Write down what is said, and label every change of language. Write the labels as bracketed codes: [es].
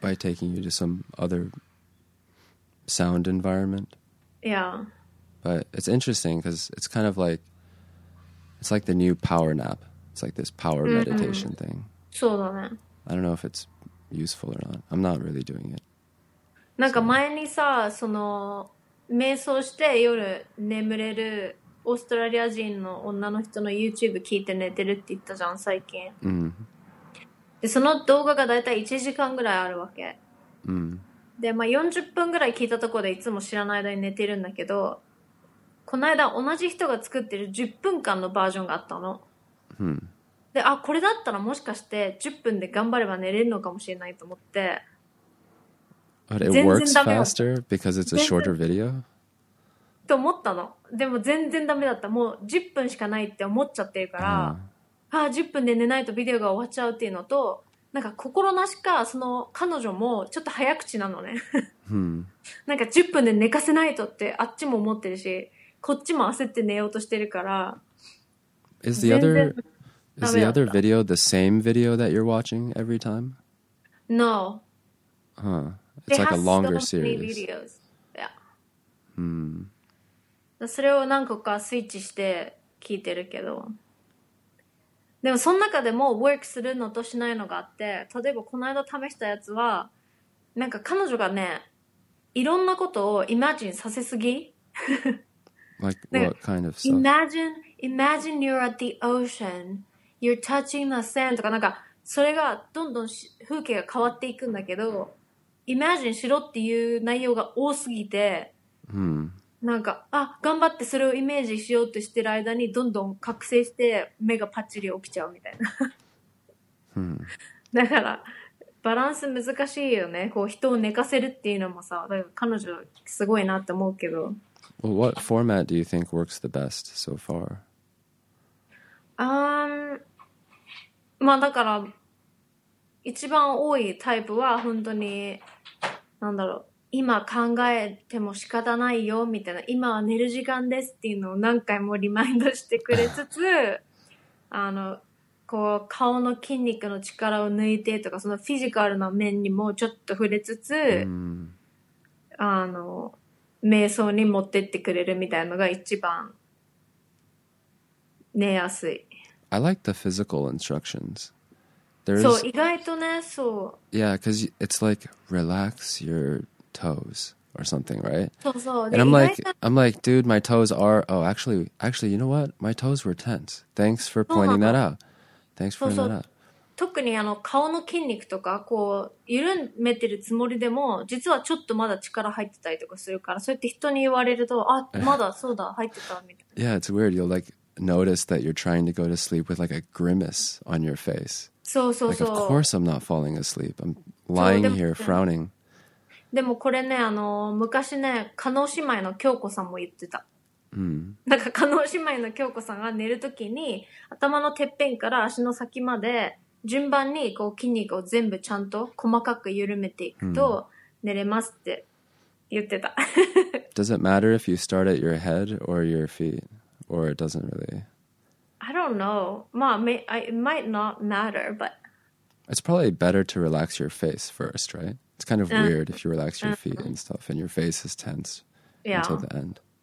[en] By taking you to some other sound environment. Yeah. But it's interesting because it's kind of like, it's like the new power nap. It's like this power meditation thing. [ja] そうだね。 [en] I don't know if it's useful or not. I'm not really doing it. [ja] なんか前にさ、その瞑想して夜眠れるオーストラリア人の女の人の YouTube 聞いて寝てるって言ったじゃん最近、でその動画がだいたい1時間ぐらいあるわけ、で、まあ、40分ぐらい聞いたところでいつも知らない間に寝てるんだけど、この間同じ人が作ってる10分間のバージョンがあったの、で、あ、これだったらもしかして10分で頑張れば寝れるのかもしれないと思って、 [en] But it works faster because it's a shorter video? [ja] と思ったの。でも全然ダメだった。もう10分しかないって思っちゃってるから、ああ、10分で寝ないとビデオが終わっちゃうっていうのと、なんか心なしか、その彼女もちょっと早口なのね。なんか10分で寝かせないとってあっちも思ってるし、こっちも焦って寝ようとしてるから。 [en] Is the other video the same video that you're watching every time? No. Huh. It's like a longer series. Yeah. Hmm. [ja] それを何個かスイッチして聞いてるけど。でもその中でもワークするのとしないのがあって、例えばこの間試したやつは、なんか彼女がね、いろんなことをイマジンさせすぎ。 [en] Like what kind of stuff? Imagine you're at the ocean. You're touching the sand. [ja] とかなんか、それがどんどん風景が変わっていくんだけど、Imagine しろっていう内容が多すぎて、なんか、あ、頑張ってそれをイメージしようとしてる間にどんどん覚醒して目がパッチリ起きちゃうみたいな。だから、バランス難しいよね。こう人を寝かせるっていうのもさ、だから彼女すごいなって思うけど。 [en] Well, what format do you think works the best so far? [ja] まあだから、一番多いタイプは本当に何だろう、今考えても仕方ないよみたいな、今は寝る時間ですっていうのを何回もリマインドしてくれつつあのこう顔の筋肉の力を抜いてとか、そのフィジカルな面にもちょっと触れつつ、あの瞑想に持ってってくれるみたいなのが一番寝やすい。 [en] I like the physical instructions. [ja] そう、意外とね、そう。 [en] Yeah, because it's like, relax your toes or something, right? [ja] そうそう。 [en] And I'm like, dude, my toes are, oh, actually, you know what? My toes were tense. Thanks for pointing that out. [ja] 特にあの顔の筋肉とかこう緩めてるつもりでも実はちょっとまだ力入ってたりとかするから、そうやって人に言われるとあまだそうだ入ってたみたいな。 [en] Yeah, it's weird. You'll like notice that you're trying to go to sleep with like a grimace on your face. [ja] そうそうそう。 [en] Like, of course I'm not falling asleep. I'm lying here frowning. [ja] でもこれね、あの昔ね、カノー姉妹の京子さんも言ってた。 Mm. なんかカノー姉妹の京子さんが寝るときに頭のてっぺんから足の先まで順番にこう筋肉を全部ちゃんと細かく緩めていくと寝れますって言ってた。 [en] Does it matter if you start at your head or your feet? Or it doesn't really? I don't know. まあ、it might not matter, but... It's probably better to relax your face first, right? It's kind of weird if you relax your feet and stuff and your face is tense until the end.